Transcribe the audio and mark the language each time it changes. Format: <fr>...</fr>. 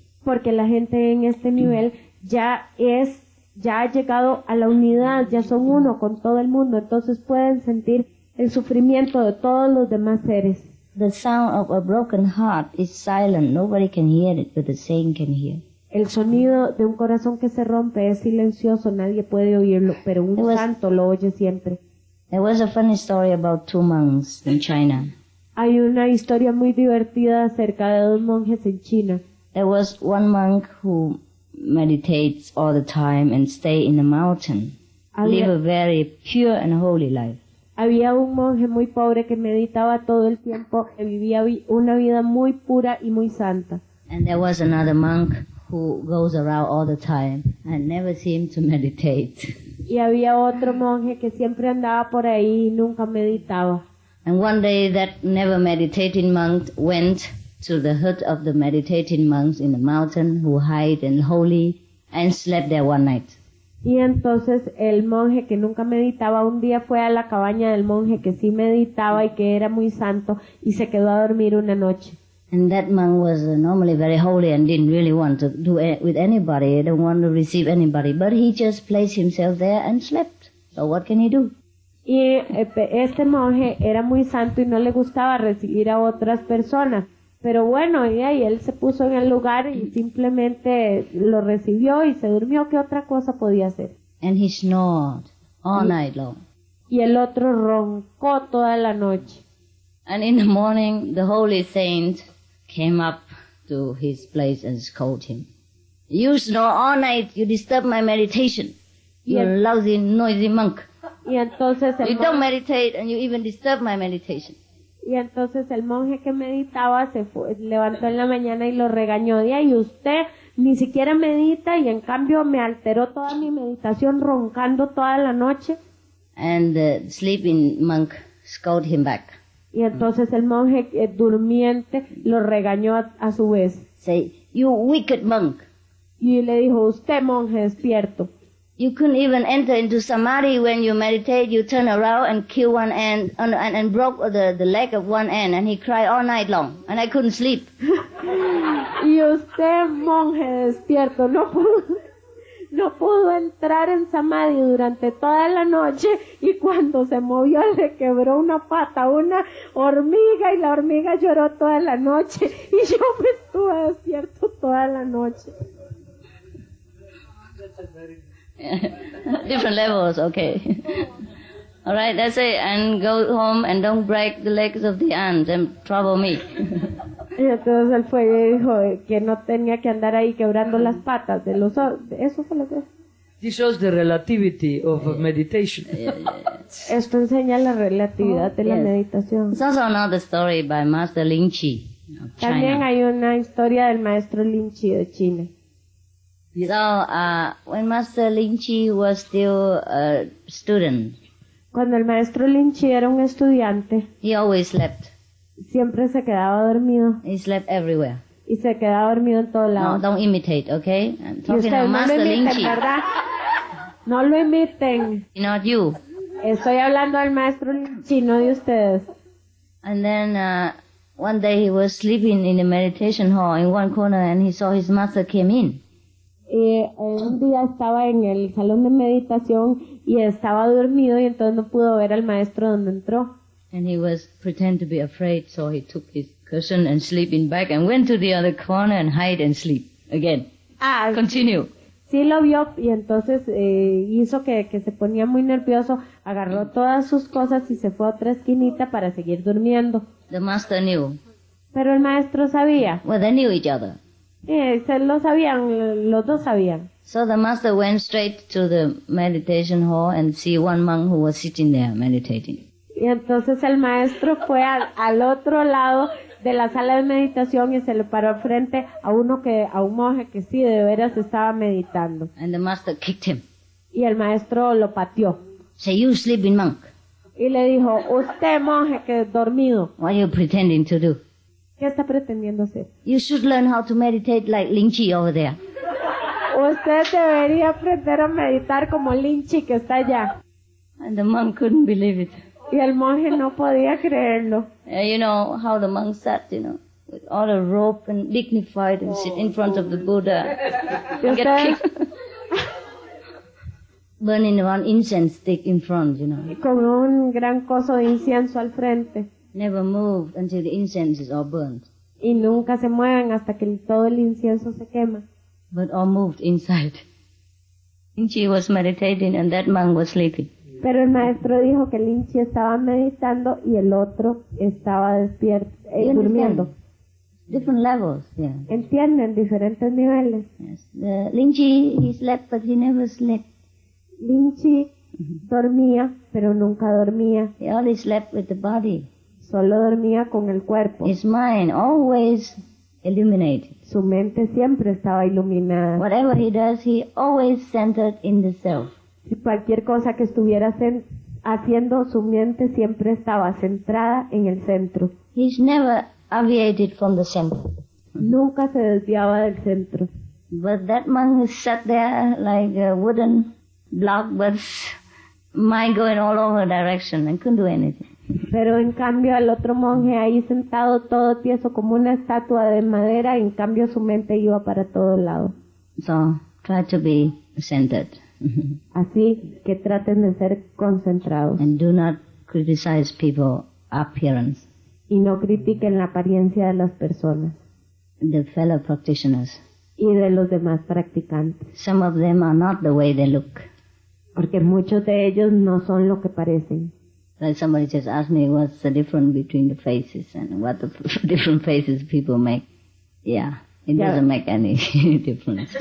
<es>Porque la gente en este nivel ya ha llegado a la unidad, ya son uno con todo el mundo, entonces pueden sentir el sufrimiento de todos los demás seres.</es> <en>The sound of a broken heart is silent. Nobody can hear it, but the saint can hear.</en> <es>El sonido de un corazón que se rompe es silencioso. Nadie puede oírlo, pero un santo lo oye siempre.</es> <en>There was a funny story about two monks in China.</en> <es>Hay una historia muy divertida acerca de dos monjes en China.</es> <en>There was one monk who meditates all the time and stay in the mountain. Live a very pure and holy life.</en> <es>Había un monje muy pobre que meditaba todo el tiempo y vivía una vida muy pura y muy santa.</es> <en>And there was another monk who goes around all the time and never seemed to meditate.</en> <es>Y había otro monje que siempre andaba por ahí y nunca meditaba.</es> <en>And one day that never meditating monk went to the hut of the meditating monks in the mountain who hide and holy and slept there one night.</en> <es>Y entonces el monje que nunca meditaba un día fue a la cabaña del monje que sí meditaba y que era muy santo y se quedó a dormir una noche.</es> <en>And that monk was normally very holy and didn't really want to do it with anybody, didn't want to receive anybody, but he just placed himself there and slept. So what can he do?</en> <es>Y este monje era muy santo y no le gustaba recibir a otras personas. Pero bueno, y ahí él se puso en el lugar y simplemente lo recibió y se durmió. ¿Qué otra cosa podía hacer?</es> <en>And he snored all night long.</en> <es>Y el otro roncó toda la noche.</es> <en>And in the morning, the holy saint came up to his place and scold him. You snore all night, you disturb my meditation. You're a lousy, noisy monk.</en> <es>Y entonces el</es> <en>you monje, don't meditate and you even disturb my meditation.</en> <es>Y entonces el monje que meditaba se fue, levantó en la mañana y lo regañó. Y usted ni siquiera medita y en cambio me alteró toda mi meditación roncando toda la noche.</es> <en>And the sleeping monk scold him back.</en> <es>Y entonces el monje durmiente lo regañó a su vez.</es> <en>Say, you wicked monk.</en> <es>Y le dijo, usted monje despierto.</es> <en>You couldn't even enter into samadhi when you meditate. You turn around and kill one ant and broke the leg of one ant and he cried all night long and I couldn't sleep.</en> <es>Y usted monje despierto no pudo entrar en samadhi durante toda la noche y cuando se movió le quebró una pata a una hormiga y la hormiga lloró toda la noche y yo me estuve despierto toda la noche.</es> <en>Different levels, okay. All right, that's it. And go home and don't break the legs of the ant and trouble me.</en> <es>Y entonces él fue y dijo que no tenía que andar ahí quebrando las patas de los ojos. Eso fue lo que.</es> <en>This shows the relativity of meditation.</en> <es>Esto enseña la relatividad de la meditación.</es> <en>It's also another story by Master Lin Chi of China.</en> <es>También hay una historia del maestro Lin Chi de China.</es> <en>So, when Master Lin Chi was still a student,</en> <es>cuando el maestro Lin Chi era un estudiante,</es> <en>he always slept.</en> <es>Siempre se quedaba dormido.</es> <en>He slept everywhere.</en> <es>Y se quedaba dormido en todo lado.</es> <en>No, don't imitate, okay? I'm talking about Master Lin Chi.</en> <es>No lo imiten.</es> <en>Not you.</en> <es>Estoy hablando del maestro Lin Chi, no de ustedes.</es> <en>And then, one day he was sleeping in the meditation hall in one corner and he saw his master came in.</en> <es>Y un día estaba en el salón de meditación y estaba dormido y entonces no pudo ver al maestro donde entró.</es> <en>And he was pretend to be afraid, so he took his cushion and sleeping bag and went to the other corner and hide and sleep again. Ah, continue.</en> <es>Sí, lo vio y entonces hizo que se ponía muy nervioso, agarró todas sus cosas y se fue a otra esquinita para seguir durmiendo.</es> <en>The master knew.</en> <es>Pero el maestro sabía.</es> <en>Well, they knew each other.</en> <es>Se lo sabían, los dos sabían.</es> <en>So the master went straight to the meditation hall and see one monk who was sitting there meditating.</en> <es>Y entonces el maestro fue al otro lado de la sala de meditación y se le paró frente a un monje que sí de veras estaba meditando.</es> <en>And the master kicked him.</en> <es>Y el maestro lo pateó.</es> <en>Say, you sleeping monk.</en> <es>Y le dijo, usted monje que es dormido.</es> <en>What are you pretending to do?</en> <es>¿Qué está pretendiendo hacer?</es> <en>You should learn how to meditate like Lin Chi over there.</en> <es>Usted debería aprender a meditar como Lin Chi que está allá.</es> <en>And the monk couldn't believe it. Y el monje no podía creerlo. Yeah, you know how the monk sat, you know, with all the rope and dignified and sit in front of the Buddha. Get kicked. Burning one incense stick in front, you know.</en> <es>Con un gran coso de incienso al frente.</es> <en>Never moved until the incense is all burnt.</en> <es>Y nunca se mueven hasta que todo el incienso se quema.</es> <en>But all moved inside. Lin Chi was meditating and that monk was sleeping.</en> <es>Pero el maestro dijo que Lin Chi estaba meditando y el otro estaba despierto y durmiendo.</es> <en>Different levels, yeah.</en> <es>Entienden, diferentes niveles.</es> <en>Yes. Lin Chi, he slept but he never slept.</en> <es>Lin Chi dormía, pero nunca dormía.</es> <en>He only slept with the body.</en> <es>Solo dormía con el cuerpo.</es> <en>His mind always illuminated.</en> <es>Su mente siempre estaba iluminada.</es> <en>Whatever he does, he always centered in the self.</en> <es>Y cualquier cosa que estuviera haciendo, su mente siempre estaba centrada en el centro.</es> <en>He's never aviated from the center.</en> <es>Nunca se desviaba del centro.</es> <en>But that man sat there like a wooden block, but mind going all over direction and couldn't do anything.</en> <es>Pero en cambio el otro monje ahí sentado todo tieso como una estatua de madera, en cambio su mente iba para todo lado.</es> <en>So, try to be centered.</en> <es>Así que traten de ser concentrados.</es> <en>And do not criticize people's appearance.</en> <es>Y no critiquen la apariencia de las personas.</es> <en>The fellow practitioners.</en> <es>Y de los demás practicantes.</es> <en>Some of them are not the way they look.</en> <es>Porque muchos de ellos no son lo que parecen.</es> <en>Like somebody just asked me what's the difference between the faces and what the different faces people make. Yeah, it doesn't make any difference.</en>